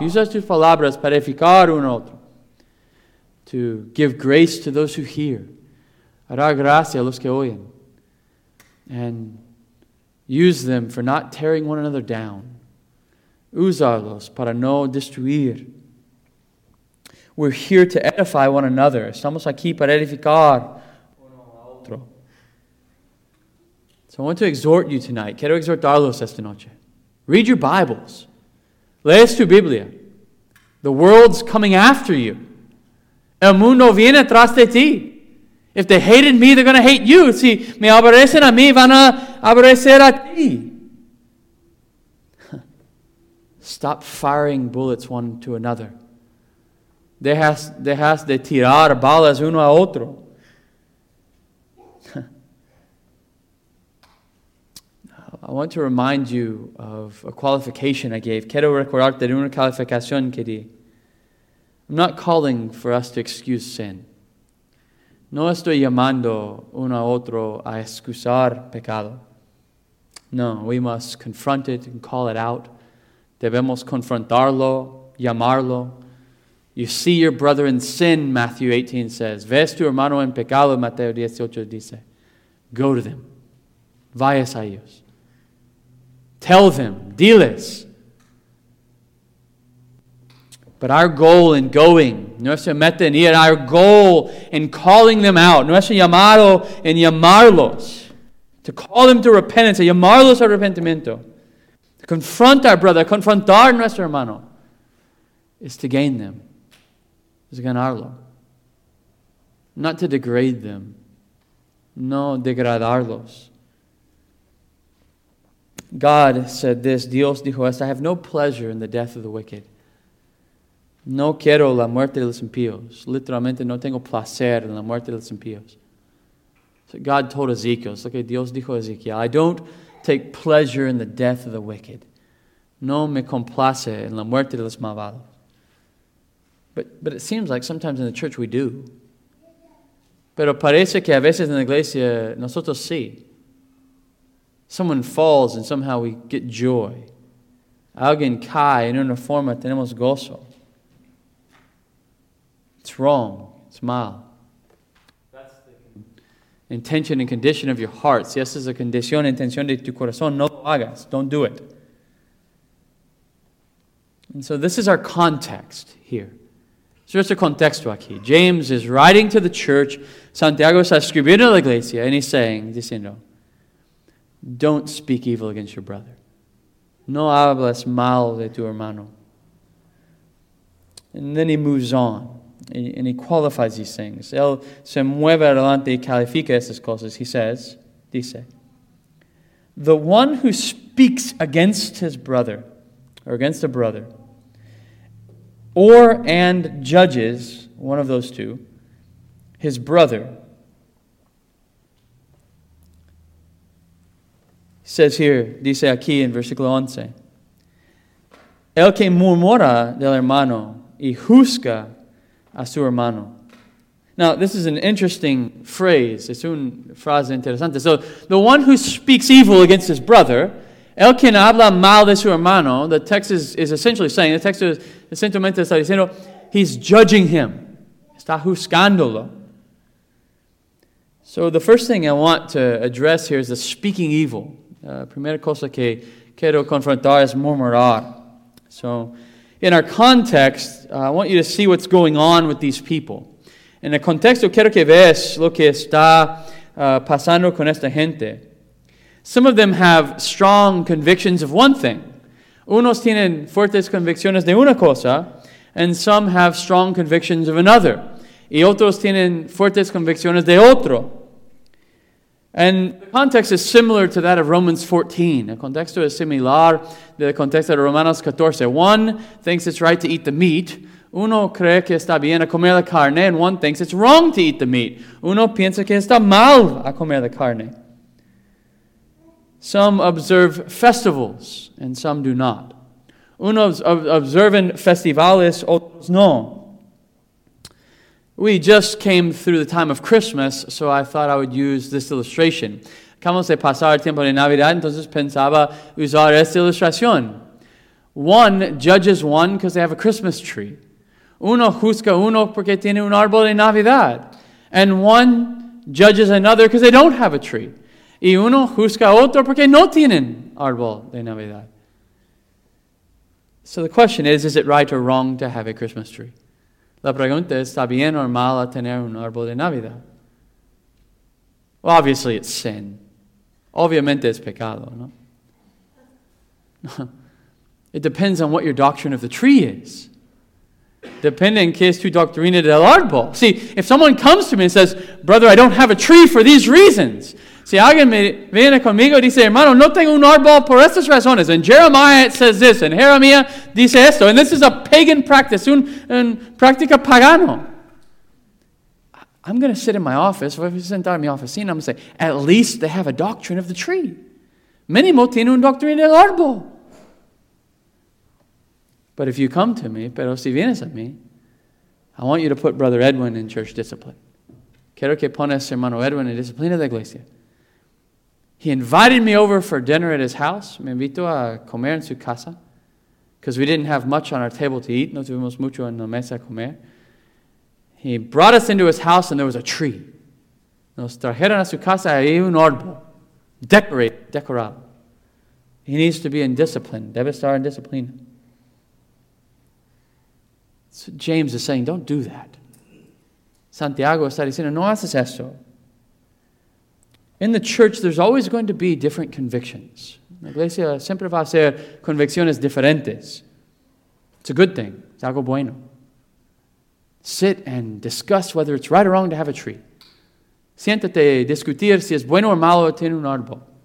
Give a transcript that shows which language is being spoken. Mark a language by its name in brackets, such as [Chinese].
[Spanish] Usa tus palabras para edificar uno a otro. [English] To give grace to those who hear. [Spanish] a dar gracia a los que oyen, [English] and use them for not tearing one another down. [Spanish] Usarlos para no destruir. [English] We're here to edify one another. [Spanish] Estamos aquí para edificar uno a otro. [English] So I want to exhort you tonight. [Spanish] Quiero exhortarlos esta noche. [English] Read your Bibles. [Spanish] Lees tu Biblia. [English] The world's coming after you. [Spanish] El mundo viene tras de ti. [English] If they hated me, they're going to hate you. [Spanish] Si me aborrecen a mí, van a aborrecer a ti. [English] Stop firing bullets one to another. [Spanish] Dejas de tirar balas uno a otro. [English] I want to remind you of a qualification I gave. [Spanish] Quiero recordarte de una calificación que di. [English] I'm not calling for us to excuse sin. [Spanish] No estoy llamando uno a otro a excusar pecado. [English] No, we must confront it and call it out. [Spanish] Debemos confrontarlo, llamarlo. [English] You see your brother in sin, Matthew 18 says. [Spanish] Ves tu hermano en pecado, Mateo 18 dice. [English] Go to them. [Spanish] Vayas a ellos. [English] Tell them. [Spanish] Diles. [English] But our goal in going, [Spanish] nuestra meta en ir, [English] our goal in calling them out, [Spanish] nuestro llamado en llamarlos, [English] to call them to repentance, [Spanish] a llamarlos a arrepentimiento, [English] to confront our brother, [Spanish] confrontar nuestro hermano, [English] is to gain them. [Spanish] Es ganarlo. [English] Not to degrade them. [Spanish] No degradarlos. [English] God said this, [Spanish] Dios dijo esto, [English] I have no pleasure in the death of the wicked. [Spanish] No quiero la muerte de los impíos. Literalmente, no tengo placer en la muerte de los impíos. [English] So God told Ezekiel, it's like [Spanish] Dios dijo a Ezekiel, [English] I don't take pleasure in the death of the wicked. [Spanish] No me complace en la muerte de los malvados. [English] But it seems like sometimes in the church we do. [Spanish] Pero parece que a veces en la iglesia nosotros sí. [English] Someone falls and somehow we get joy. [Spanish] Alguien cae en una forma tenemos gozo. [English] It's wrong. It's mal. That's the intention and condition of your heart. [Spanish] Si esa es la condición, intención de tu corazón, no lo hagas. [English] Don't do it. And so this is our context here. So it's a contexto aquí. James is writing to the church. [Spanish] Santiago está escribiendo a la iglesia. [English] And he's saying, diciendo, don't speak evil against your brother. [Spanish] No hables mal de tu hermano. [English] And then he moves on. And he qualifies these things. [Spanish] Él se mueve adelante y califica estas cosas. [English] He says, dice, the one who speaks against his brother, or against a brother, or and judges, one of those two, his brother, says here, [Spanish] dice aquí [English] in versículo 11, [Spanish] el que murmura del hermano y juzga a su hermano. [English] Now, this is an interesting phrase. [Spanish] Es una frase interesante. [English] So, the one who speaks evil against his brother, [Spanish] el quien habla mal de su hermano, [English] the text is essentially saying, the text is essentially saying, he's judging him. [Spanish] Está juzgándolo. [English] So, the first thing I want to address here is the speaking evil. [Spanish] Primera cosa que quiero confrontar es murmurar. [English] So, in our context, I want you to see what's going on with these people. [Spanish] En el contexto, quiero que veas lo que está pasando con esta gente. [English] Some of them have strong convictions of one thing. [Spanish] Unos tienen fuertes convicciones de una cosa, [English] and some have strong convictions of another. [Spanish] Y otros tienen fuertes convicciones de otro. [English] And the context is similar to that of Romans 14. [Spanish] El contexto es similar del contexto de Romanos 14. [English] One thinks it's right to eat the meat. [Spanish] Uno cree que está bien a comer la carne. [English] And one thinks it's wrong to eat the meat. [Spanish] Uno piensa que está mal a comer la carne. [English] Some observe festivals and some do not. [Spanish] Unos observan festivales, otros no. [English] We just came through the time of Christmas, so I thought I would use this illustration. [Spanish] Acabamos de pasar el tiempo de Navidad, entonces pensaba usar esta ilustración. [English] One judges one because they have a Christmas tree. [Spanish] Uno juzga uno porque tiene un árbol de Navidad. [English] And one judges another because they don't have a tree. [Spanish] Y uno juzga a otro porque no tienen árbol de Navidad. [English] So the question is it right or wrong to have a Christmas tree? [Spanish] La pregunta es, ¿está bien o mal a tener un árbol de Navidad? [English] Well, obviously it's sin. [Spanish] Obviamente es pecado, ¿no? [English] It depends on what your doctrine of the tree is. [Spanish] Depende en qué es tu doctrina del árbol. [English] See, if someone comes to me and says, brother, I don't have a tree for these reasons. [Spanish] Si alguien viene conmigo y dice, hermano, no tengo un árbol por estas razones. [English] And Jeremiah says this, and Jeremiah [Spanish] dice esto. [English] And this is a pagan practice, [Spanish] un práctica pagano. [English] I'm going to sit in my office, or if you sit down in my office, I'm going to say, at least they have a doctrine of the tree. [Spanish] Mínimo tiene un doctrina del árbol. [English] But if you come to me, [Spanish] pero si vienes a mí, [English] I want you to put Brother Edwin in church discipline. [Spanish] Quiero que pones hermano Edwin en disciplina de iglesia. [English] He invited me over for dinner at his house. [Spanish] Me invito a comer en su casa. [English] Because we didn't have much on our table to eat. [Spanish] No tuvimos mucho en la mesa a comer. [English] He brought us into his house and there was a tree. [Spanish] Nos trajeron a su casa y un árbol. Decorado. [English] He needs to be in discipline. [Spanish] Debe estar en disciplina. [English] So James is saying, don't do that. [Spanish] Santiago está diciendo, no haces eso. [English] In the church, there's always going to be different convictions. [Spanish] La iglesia siempre va a ser convicciones diferentes. [English] It's a good thing. [Spanish] Es algo bueno. [English] Sit and discuss whether it's right or wrong to have a tree. [Spanish] Siéntate y discutir si es bueno o malo tener un árbol.